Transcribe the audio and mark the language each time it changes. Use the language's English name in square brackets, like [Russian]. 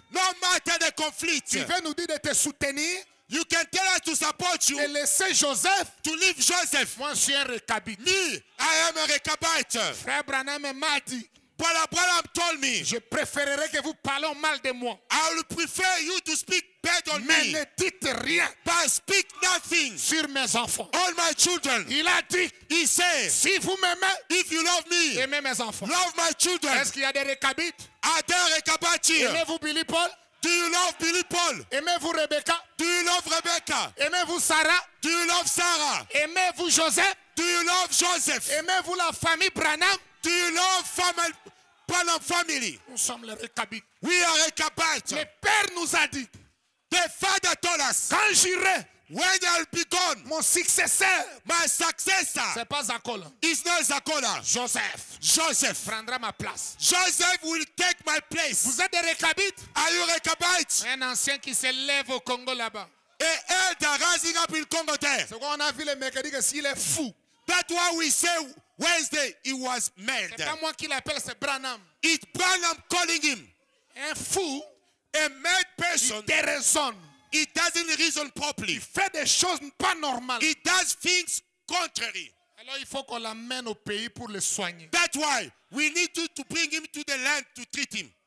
[English] No matter the conflict. [French] Tu veux nous dire de te soutenir? [English] You can tell us to support you. [French] Et laisser Joseph. [English] To leave Joseph. [French] Moi, je suis un récabite. [English] Me, I am a récabite. [French] Frère Branham m'a dit. [English] Branham told me. [French] Je préférerais que vous parliez mal de moi. [English] I would prefer you to speak bad on [French] mais [English] me. [French] Mais ne dites rien. [English] But speak nothing. [French] Sur mes enfants. [English] All my children. [French] Il a dit. [English] He said. [French] Si vous m'aimez. [English] If you love me. [French] Aimez mes enfants. [English] Love my children. [French] Est-ce qu'il y a des récabites? [English] Are there récabites? [French] Aimez-vous Billy Paul? [English] Do you love Billy Paul? [French] Aimez-vous Rebecca? [English] Do you love Rebecca? [French] Aimez-vous Sarah? [English] Do you love Sarah? [French] Aimez-vous Joseph? [English] Do you love Joseph? [French] Aimez-vous la famille Branham? [English] Do you love family Branham family? [French] Nous sommes les récabites. [English] We are récabites. [French] Le Père nous a dit. [English] The Father told us. [French] Quand j'irai, [English] when I'll be gone, [French] mon successeur, [English] my successor, [French] c'est pas Zakola. [English] It's not Zakola. [French] Joseph. [English] Joseph [French] prendra ma place. [English] Joseph will take my place. [French] Vous êtes des récabites? [English] Are you récabites? [French] Un ancien qui s'élève au Congo là-bas. [English] Et elder rising up in Congo there. [French] C'est quoi on a vu le mercredi que s'il est fou. [English] That's why we say Wednesday he was mad. [French] C'est pas moi qui l'appelle, c'est Branham. [English] It's Branham calling him. [French] Un fou. [English] A mad person. [French] Il déraisonne. [English] He doesn't reason properly. [French] Il fait des choses pas normales. [English] He does things contrary. [French] Alors il faut qu'on l'amène au pays pour le soigner. [English] That's why we need to bring him to the land to treat him.